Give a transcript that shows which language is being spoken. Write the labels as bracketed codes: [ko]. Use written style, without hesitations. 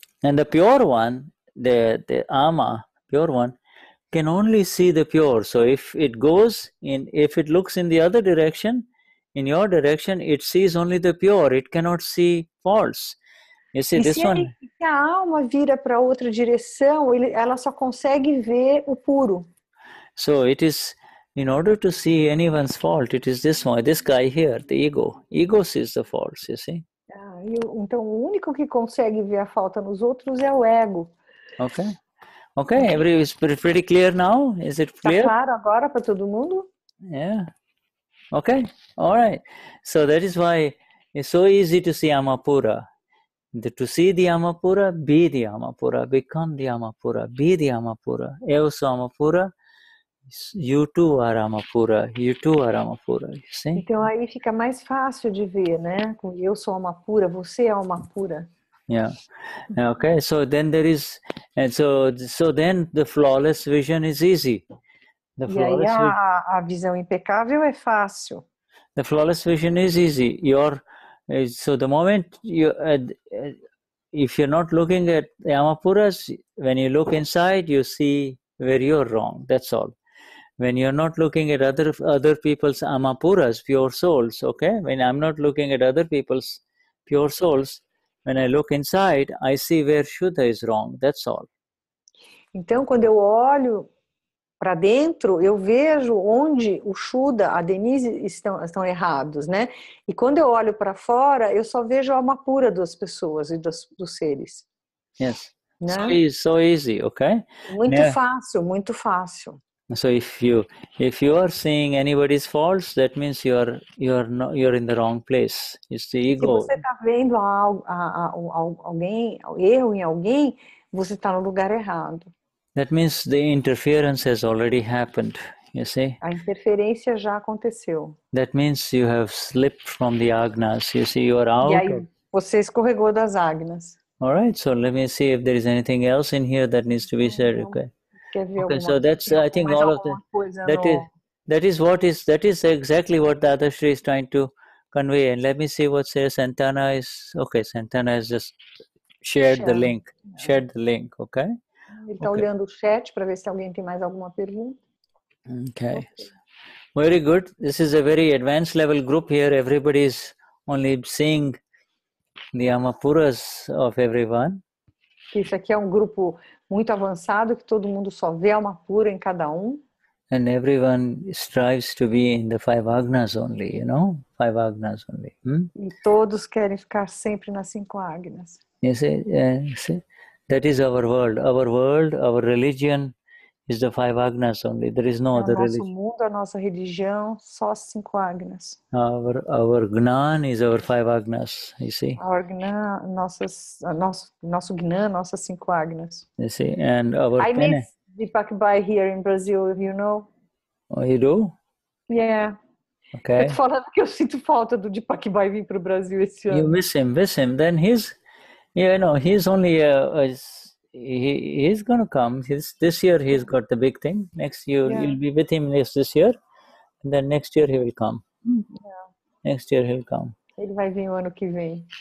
[en] And the pure one, the Ama, pure one, can only see the pure. So if it looks in the other direction, in your direction, it sees only the pure. It cannot see faults. You see, [pt] e [en] this [pt] se [en] one. [pt] Se a alma vira para outra direção, ela só consegue ver o puro. [en] So it is, in order to see anyone's fault, it is this one, this guy here, the ego. Ego sees the faults, you see. [pt] Então, o único que consegue ver a falta nos outros é o ego. [en] Okay. Is pretty clear now? Is it clear? [pt] Tá claro agora para todo mundo? [en] Yeah. Okay. All right. So that is why it's so easy to see Amapura. To see the Amapura, be the Amapura, become the Amapura, be the Amapura. [pt] Eu sou Amapura. [en] You too are Amapura. You too are Amapura. See? [pt] Então aí fica mais fácil de ver, né? Eu sou Amapura, você é Amapura. [en] Yeah. Okay. So then there is, and so then the flawless vision is easy. The flawless vision. [pt] E aí a visão impecável é fácil. [en] The flawless vision is easy. So the moment you, if you're not looking at the Amapuras, when you look inside, you see where you're wrong. That's all. When you're not looking at other people's Amapuras, pure souls, okay? When I'm not looking at other people's pure souls, when I look inside, I see where Shuddha is wrong. That's all. [pt] Então, quando eu olho para dentro, eu vejo onde o Shuddha, a Denise, estão errados, né? E quando eu olho para fora, eu só vejo a Amapura das pessoas e dos seres. [en] Yes. Né? So easy, okay? [pt] Muito fácil. [en] So if you are seeing anybody's faults, that means you are in the wrong place. It's the ego. [pt] Se você está vendo alguém erro em alguém, você está no lugar errado. [en] That means the interference has already happened. You see. [pt] A interferência já aconteceu. [en] That means you have slipped from the agnas. You see, you are out. [pt] E aí você escorregou das agnas. [en] All right. So let me see if there is anything else in here that needs to be said. Okay. Okay, so that's I think all of that is exactly what Dadashri is trying to convey. And let me see what says Santana is. Okay, Santana has just shared the link. Shared the link. Okay. [pt] Ele tá olhando o chat para ver se alguém tem mais alguma pergunta. [en] Okay. Very good. This is a very advanced level group here. Everybody is only seeing the Amapuras of everyone. [pt] que isso aqui é um grupo muito avançado, que todo mundo só vê alma pura em cada um. [en] And everyone strives to be in the five agnas only, you know? Five agnas only. [pt] E todos querem ficar sempre nas cinco agnas. [en] You see? That is our world. Our world, our religion is the five agnas only. There is no other religion. [pt] Nosso mundo, a nossa religião, só as cinco agnas. [en] Our gnan is our five agnas, you see? Our gnan, [pt] nosso gnan, nossas cinco agnas. [en] You see? And our penne. Deepak Bhai here in Brazil, if you know. Oh, you do? Yeah. Okay. [pt] Eu tô falando que eu sinto falta do Deepak Bhai vir pro Brasil esse ano. [en] You miss him. Then he's, he's only, he's going to come. This year he's got the big thing. Next year, yeah. You'll be with him this year. And then next year he will come. Yeah. Next year he'll come. [pt] Ele vai vir o ano que vem.